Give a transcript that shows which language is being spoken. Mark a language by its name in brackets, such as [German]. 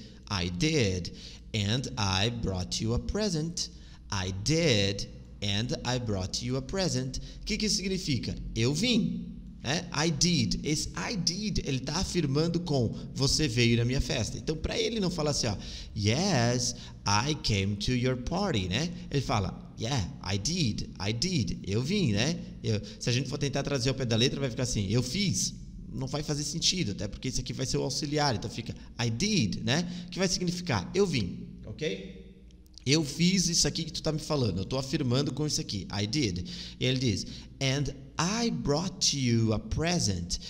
[English] I did, and I brought you a present. I did, and I brought you a present. [Portuguese] Que isso significa? Eu vim. É, [English] I did. [Portuguese] Esse [English] I did, [Portuguese] ele tá afirmando com você veio na minha festa. Então, para ele não falar assim, ó, [English] yes, I came to your party, [Portuguese] né? Ele fala, [English] yeah, I did. [Portuguese] Eu vim, né? Se a gente for tentar trazer ao pé da letra, vai ficar assim, eu fiz. Não vai fazer sentido, até porque isso aqui vai ser o auxiliar. Então, fica [English] I did, [Portuguese] né? Que vai significar eu vim, ok? Eu fiz isso aqui que tu tá me falando. Eu tô afirmando com isso aqui. [English] I did. [Portuguese] E ele diz, [English] and I brought you a present.